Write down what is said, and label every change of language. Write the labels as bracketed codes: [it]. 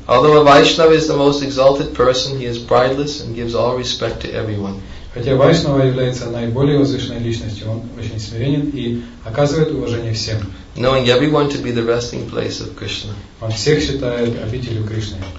[en] Although a Vaishnava is the most exalted person, he is prideless and gives all respect to everyone. [ru] Хотя Вайшнава является наиболее возвышенной личностью, он очень смиренен и оказывает уважение всем. [en] Knowing everyone to be the resting place of Krishna. [ru] Он всех считает обителью Кришны.